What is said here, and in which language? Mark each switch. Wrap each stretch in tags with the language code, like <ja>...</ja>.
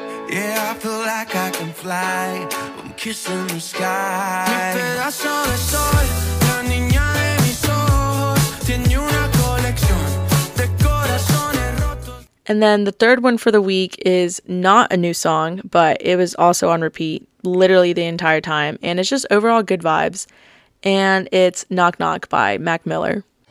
<en>Yeah, I feel like I can fly. I'm kissing the sky.</en> <es>Me pedazo de sol, la niña de mis ojos. Tiene una colección de corazones rotos.</es> <en>And then the third one for the week is not a new song, but it was also on repeat literally the entire time. And it's just overall good vibes. And it's Knock Knock by Mac Miller.</en>